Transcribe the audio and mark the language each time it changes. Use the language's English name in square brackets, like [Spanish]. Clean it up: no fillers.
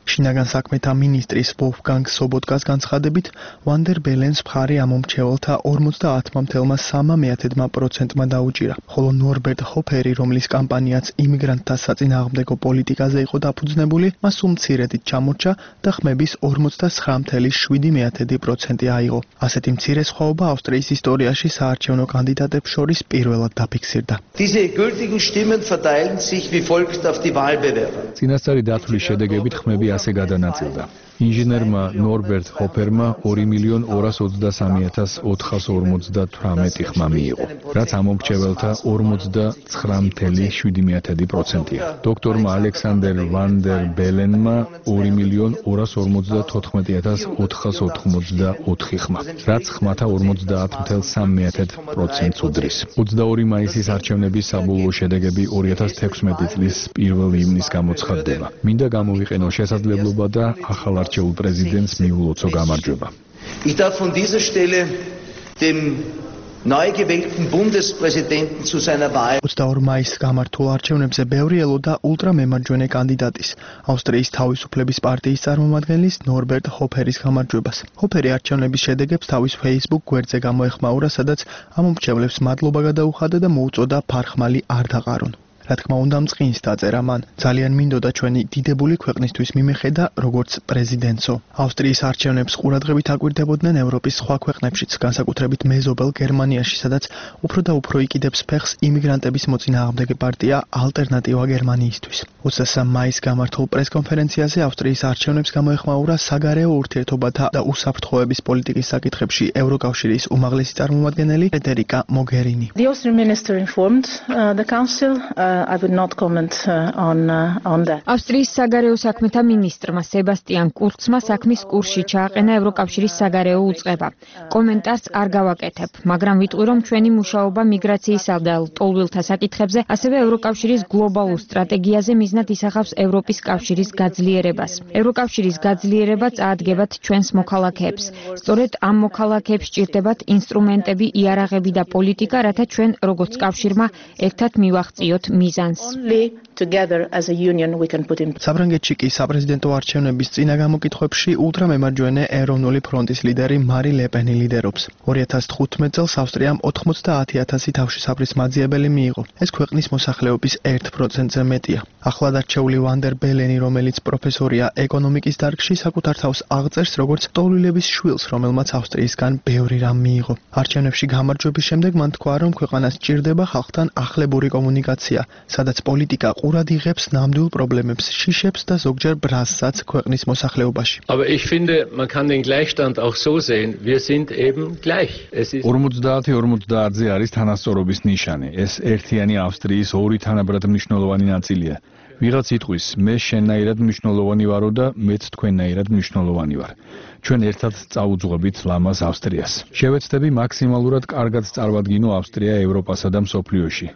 [Georgian] შინაგან საქმეთა მინისტრის ვოლფგანგ სობოტკას განცხადებით, ვან დერ ბელენს მხარი ამომრჩეველთა 50.3%-მა დაუჭირა, ხოლო ნორბერტ ჰოფერი, რომლის კამპანიაც იმიგრანტთა საწინააღმდეგო პოლიტიკაზე იყო დაფუძნებული, მას უმცირედით ჩამორჩა და ხმების 49.7% აიღო. ასეთი მცირე სხვაობა ავსტრიის ისტორიაში საარჩევნო კანდიდატებს შორის პირველად დაფიქსირდა. [German] Diese gültigen Stimmen verteilen sich wie folgt auf die Wahlbewerber. [Georgian] წინასწარი დათვლის შედეგებით ხმები ასე გადანაწილდა. ინჟინერმა ნორბერტ ჰოფერმა 2,223,458 ხმა მიიღო, რაც ამომრჩეველთა 49.7%-ია. დოქტორმა ალექსანდერ ვან დერ ბელენმა 2,254,494 ხმა, რაც ხმათა 50.3%-ს უდრის. 22 მაისის არჩევნების საბოლოო შედეგები 2016 წლის 1 ივნისს გამოცხადდება. მინდა გამოვიყენო შესაძლებლობა და ახალ არჩევნებში ულ პრეზიდენტს მიულოცო გამარჯობა. [German] Ich darf von dieser Stelle dem neu gewählten Bundespräsidenten zu seiner Wahl. [Georgian] 22 მაისს გამართულ არჩევნებზე ბევრი ელოდა ულტრამემარჯვენე კანდიდატის, ავსტრიის თავისუფლების პარტიის წარმომადგენლის ნორბერტ ჰოფერის გამარჯვებას. ჰოფერი არჩევნების შედეგებს თავის Facebook გვერდზე გამოეხმაურა, სადაც ამომრჩევლებს მადლობა გადაუხადა და მოუწოდა ფარხმალი არ დაყარონ. რა თქმა უნდა, მწყინს დაწერა მან. ძალიან მინდოდა ჩვენი დიდებული ქვეყნისთვის მიმეხედა როგორც პრეზიდენტო. ავსტრიის არჩევნებს ყურადღებით აკვირდებოდნენ ევროპის სხვა ქვეყნებშიც, განსაკუთრებით მეზობელ გერმანიაში, სადაც უფრო და უფრო იკიდებს ფეხს იმიგრანტების მოწინააღმდეგე პარტია ალტერნატივა გერმანიისთვის. 23 მაისს გამართულ პრესკონფერენციაზე ავსტრიის არჩევნებს გამოეხმაურა საგარეო ურთიერთობათა და უსაფრთხოების პოლიტიკის საკითხებში ევროკავშირის უმაღლესი წარმომადგენელი ფედერიკა მოგერინი. [English] The Austrian minister informed the council I would not comment on that. [Georgian] ავსტრიის საგარეო საქმეთა მინისტრმა სებასტიან კურცმა საქმის კურსში ჩააყენა ევროკავშირის საგარეო უწყება. კომენტარს არ გავაკეთებ, მაგრამ ვიტყვი, რომ ჩვენი მუშაობა მიგრაციისა და ტოლვილთა საკითხებზე, ასევე ევროკავშირის გლობალურ სტრატეგიაზე მიზნად ისახავს ევროპის კავშირის გაძლიერებას. ევროკავშირის გაძლიერება წაადგენთ ჩვენს მოქალაქეებს. სწორედ ამ მოქალაქეებს ჭირდებათ ინსტრუმენტები, იარაღები და პოლიტიკა, რათა ჩვენ როგორც კავშირმა ერთად მივახ ციოთ მიზანს. [English] Together as a union we can put in. [Georgian] საბრანგეთში კი საპრეზიდენტო არჩევნების წინა გამოკითხვებში ულტრამემარჯვენე ეროვნული ფრონტის ლიდერი მარი ლეპენი ლიდერობს. 2015 წელს ავსტრიამ 90,000 თავშესაფრის მაძიებელი მიიღო. ეს ქვეყნის მოსახლეობის 1%-ზე მეტია. ახლადარჩეული ვან დერ ბელენი, რომელიც პროფესორია ეკონომიკის დარგში, საკუთარ თავს აღწერს როგორც ტოლვილების შვილს, რომელმაც ავსტრიისგან ბევრი რამ მიიღო. არჩევნებში გამარჯვების შემდეგ მან თქვა, რომ ქვეყანას ჭირდება ხალხთან ახლებური კომუნიკაცია, სადაც პოლიტიკა და ყურად იღებს ნამდვილ პრობლემებს, შიშებს და ზოგჯერ ბრასსაც ქვეყნის მოსახლეობაში. [German] Aber ich finde, man kann den Gleichstand auch so sehen, wir sind eben gleich. Es ist [Georgian] 50-50-ზე არის თანასწორობის ნიშანი. ეს ერთიანი ავსტრიის ორი თანაბრად მნიშვნელოვანი ნაწილია. ვიღაც იტყვის, მე შენნაირად მნიშვნელოვანი ვარო და მეც თქვენნაირად მნიშვნელოვანი ვარ. ჩვენ ერთად წავუძღვებით ლამაზ ავსტრიას. შევეცდები მაქსიმალურად კარგად წარმოადგინო ავსტრია ევროპასა და მსოფლიოში.